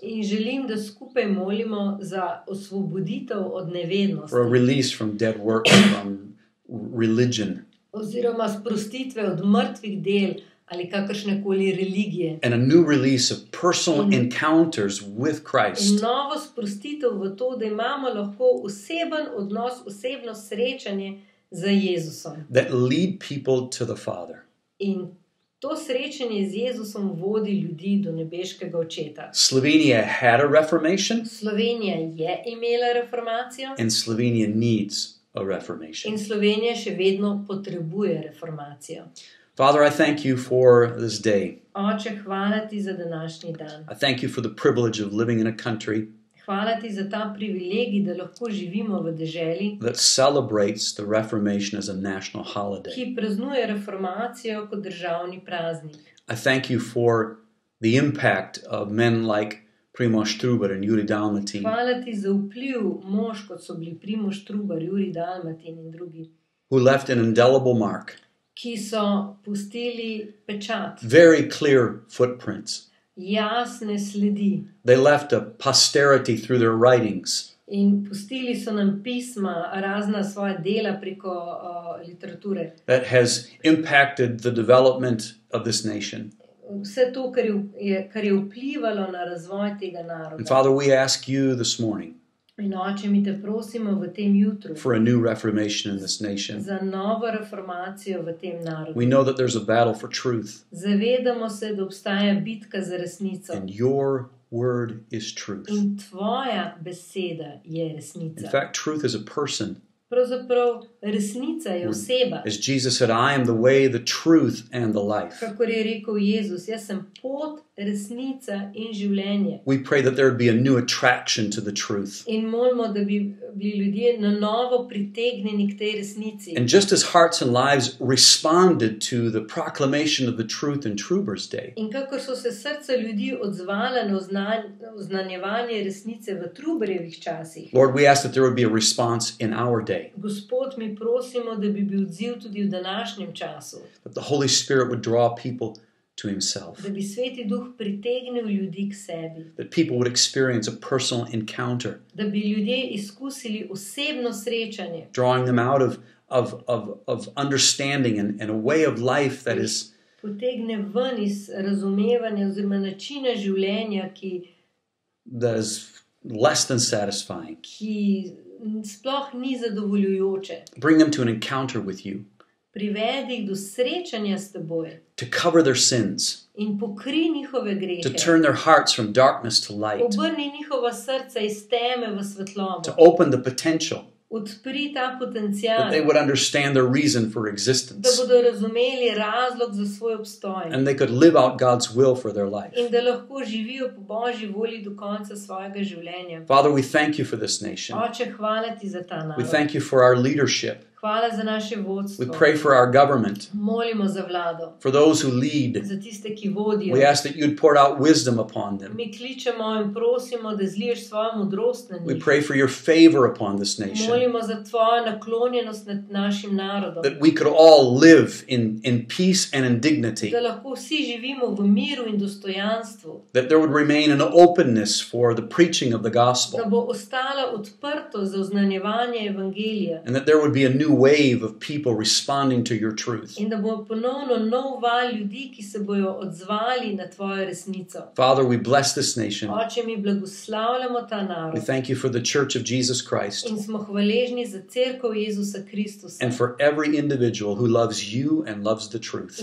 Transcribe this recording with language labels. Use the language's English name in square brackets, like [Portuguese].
[Slovenian] In želim, da skupaj molimo za osvoboditev od nevednosti. [English] For a release from dead work, from religion. [Slovenian] Oziroma sprostitve od mrtvih del ali kakršnekoli religije. [English] And a new release of personal encounters with Christ. [Slovenian] In novo sprostitev v to, da imamo lahko oseben odnos, osebno srečanje za Jezusom. [English] That lead people to the Father. [Slovenian] In to srečanje z Jezusom vodi ljudi do nebeškega očeta. [English] Slovenia had a reformation. [Slovenian] Slovenija je imela reformacijo. [English] And Slovenia needs a reformation. [Slovenian] In Slovenija še vedno potrebuje reformacijo. [English] Father, I thank you for this day. [Slovenian] Oče, hvala ti za današnji dan. [English] I thank you for the privilege of living in a country. [Slovenian] Hvala ti za ta privilegij, da lahko živimo v deželi, [English] that celebrates the Reformation as a national holiday. [Slovenian] Ki praznuje reformacijo kot državni praznik. [English] I thank you for the impact of men like Primož Trubar and Juri Dalmatin. [Slovenian] Hvala ti za vpliv mož, kot so bili Primož Trubar, Juri Dalmatin in drugi. [English] Who left an indelible mark. [Slovenian] Ki so pustili pečat. [English] Very clear footprints. [Slovenian] Jasne sledi. [English] They left a posterity through their writings. [Slovenian] In pustili so nam pisma, razna svoja dela preko literature. [English] That has impacted the development of this nation. [Slovenian] Vse to, kar je vplivalo na razvoj tega naroda. [English] And Father, we ask you this morning. [Slovenian] In Oče, mi te prosimo v tem jutru. [English] For a new reformation in this nation. [Slovenian] Za novo reformacijo v tem narodu. [English] We know that there's a battle for truth. [Slovenian] Zavedamo se, da obstaja bitka za resnico. [English] And your word is truth. [Slovenian] In tvoja beseda je resnica. [English] In fact, truth is a person. [Slovenian] Pravzaprav resnica je oseba. [English] As Jesus said, I am the way, the truth and the life. [Slovenian] Kakor je rekel Jezus, jaz sem pot, resnica in življenje. [English] We pray that there would be a new attraction to the truth. [Slovenian] In molimo, da bi bili ljudje na novo pritegnjeni k tej resnici. [English] And just as hearts and lives responded to the proclamation of the truth in Trubar's day. [Slovenian] In kakor so se srca ljudi odzvala na oznanjevanje resnice v Trubarjevih časih. [English] Lord, we ask that there would be a response in our day. [Slovenian] Gospod, mi prosimo, da bi bil odziv tudi v današnjem času. [English] That the Holy Spirit would draw people to himself. [Slovenian] Da bi Sveti Duh pritegnil ljudi k sebi. [English] That people would experience a personal encounter. [Slovenian] Da bi ljudje izkusili osebno srečanje. [English] Drawing them out of understanding and a way of life that is [Slovenian] potegne ven iz razumevanja oziroma načina življenja, ki [English] that is less than satisfying. [Slovenian] Ki sploh ni zadovoljujoče. [English] Bring them to an encounter with you. [Slovenian] privedi jih do srečanja s teboj. [English] To cover their sins. [Slovenian] In pokri njihove grehe. [English] To turn their hearts from darkness to light. [Slovenian] Obrni njihova srca iz teme v svetlobo. [English] To open the potential. [Slovenian] Odpri ta potencial. [English] That they would understand their reason for existence. [Slovenian] Da bodo razumeli razlog za svoj obstoj. [English] And they could live out God's will for their life. [Slovenian] In da lahko živijo po Božji volji do konca svojega življenja. [English] Father, we thank you for this nation. [Slovenian] Oče, hvala ti za ta narod. [English] We thank you for our leadership. [Slovenian] Hvala za naše vodstvo. [English] We pray for our government. [Slovenian] Molimo za vlado. [English] For those who lead. [Slovenian] Za tiste, ki vodijo. [English] We ask that you'd pour out wisdom upon them. [Slovenian] Mi kličemo in prosimo, da zliješ svojo modrost na njih. [English] We pray for your favor upon this nation. [Slovenian] Molimo za tvojo naklonjenost nad našim narodom. [English] That we could all live in peace and in dignity. [Slovenian] Da lahko vsi živimo v miru in dostojanstvu. [English] That there would remain an openness for the preaching of the gospel. [Slovenian] Da bo ostala odprto za oznanjevanje evangelija. [English] And that there would be a new wave of people responding to your truth. [Slovenian] In da bo ponovno nov val ljudi, ki se bojo odzvali na tvojo resnico. [English] Father, we bless this nation. [Slovenian] Oče, mi blagoslavljamo ta narod. [English] We thank you for the church of Jesus Christ. [Slovenian] In smo hvaležni za cerkev Jezusa Kristusa. [English] And for every individual who loves you and loves the truth.